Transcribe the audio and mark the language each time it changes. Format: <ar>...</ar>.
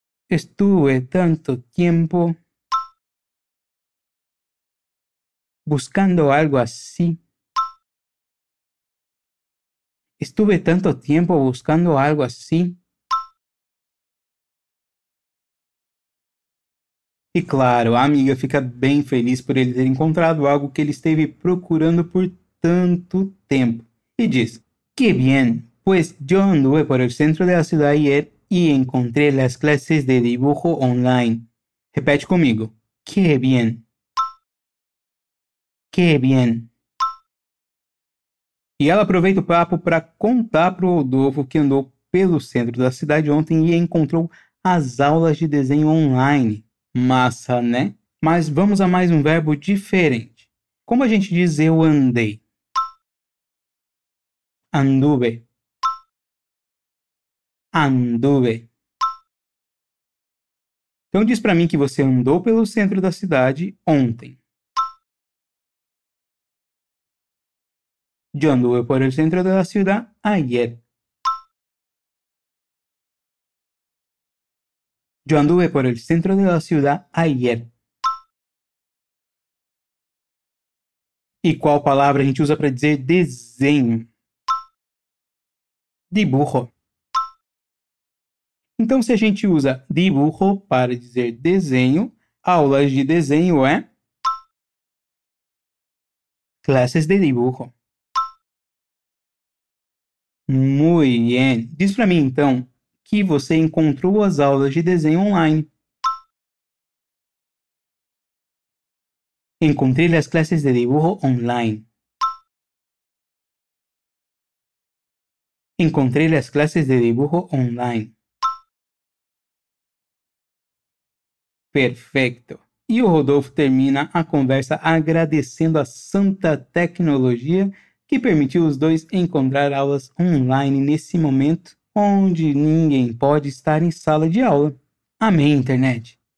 <es>Estuve tanto tiempo buscando algo así. Estuve tanto tiempo buscando algo así.</es> <pt>E claro, a amiga fica bem feliz por ele ter encontrado algo que ele esteve procurando por tanto tempo. E diz,</pt> <es>que bien, pues yo anduve por el centro de la ciudad ayer y encontré las clases de dibujo online.</es> <pt>Repete comigo,</pt> <es>que bien. Que bien.</es> <pt>E ela aproveita o papo para contar para o Rodolfo que andou pelo centro da cidade ontem e encontrou as aulas de desenho online. Massa, né? Mas vamos a mais um verbo diferente. Como a gente diz eu andei?</pt> <es>Anduve. Anduve.</es> <pt>Então diz para mim que você andou pelo centro da cidade ontem.</pt> <es>Yo anduve por el centro de la ciudad ayer. Yo anduve por el centro de la ciudad ayer. ¿Y cuál palabra</es> <pt>a gente usa</pt> <es>para decir desenho? Dibujo.</es> <pt>Então, si a gente usa dibujo para decir desenho, aulas de desenho é?</pt> <es>Clases de dibujo. Muy bien.</es> <pt>Diz para mim, então, que você encontrou as aulas de desenho online.</pt> <es>Encontré las clases de dibujo online. Encontré las clases de dibujo online. Perfecto.</es> <pt>E o Rodolfo termina a conversa agradecendo a Santa Tecnologia que permitiu os dois encontrar aulas online nesse momento onde ninguém pode estar em sala de aula. Amém, internet.</pt>